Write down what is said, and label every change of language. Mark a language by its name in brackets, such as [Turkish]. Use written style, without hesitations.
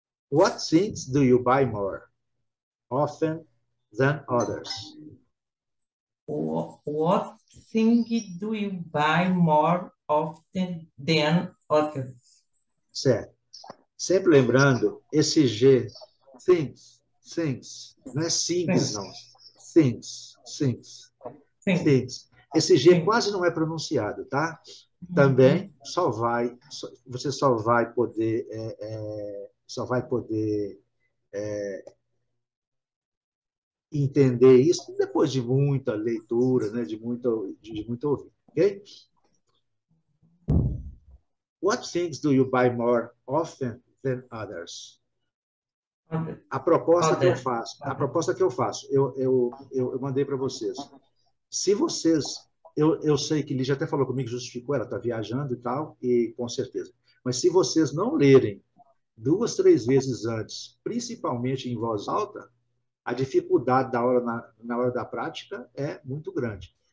[English] What things do you buy more often than others? What thing do you buy more often than others? [Portuguese] Certo. Sempre lembrando, esse G, things, não é things, não. Things. Esse G quase não é pronunciado, tá? Também só vai, você só vai poder. Só vai poder entender isso depois de muita leitura, né? De muito ouvir. Okay? [English] What things do you buy more often than others? [Portuguese] A proposta que eu faço, eu mandei para vocês. Se vocês, eu sei que ele já até falou comigo, justificou, ela está viajando e tal, e com certeza. Mas se vocês não lerem duas, três vezes antes, principalmente em voz alta, a dificuldade na hora da prática é muito grande.